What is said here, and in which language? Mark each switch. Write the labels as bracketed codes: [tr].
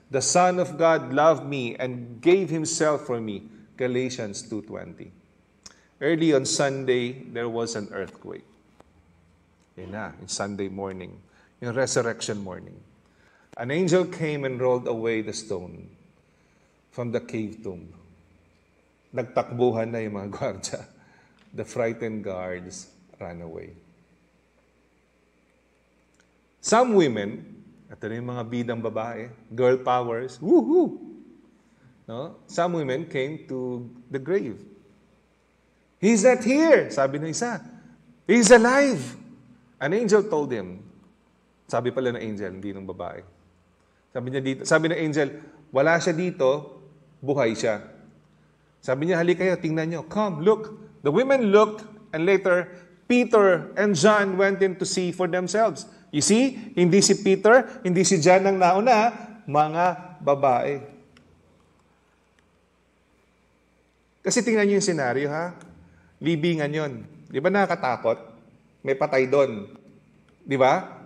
[en] The Son of God loved me and gave Himself for me. Galatians 2:20. Early on Sunday, there was an earthquake. [tl] Yan na, [en] in Sunday morning, in resurrection morning. An angel came and rolled away the stone from the cave tomb. [tl] Nagtakbuhan na yung mga gwardiya. [en] The frightened guards ran away. Some women, [tl] ito na yung mga bidang babae, [en] girl powers, woohoo! No? Some women came to the grave. He's not here, [tl] sabi ng isa. [en] He's alive! An angel told him, [tl] sabi pala ng angel, hindi ng babae. Sabi niya dito, sabi ng angel, wala siya dito, buhay siya. Sabi niya, halika kayo, tingnan niyo. [en] Come, look. The women looked and later, Peter and John went in to see for themselves. [tl] You see, hindi si Peter, hindi si John ang nauna, mga babae. Kasi tingnan niyo yung scenario, ha? Libingan yun. Di ba nakakatakot? May patay doon. Di ba?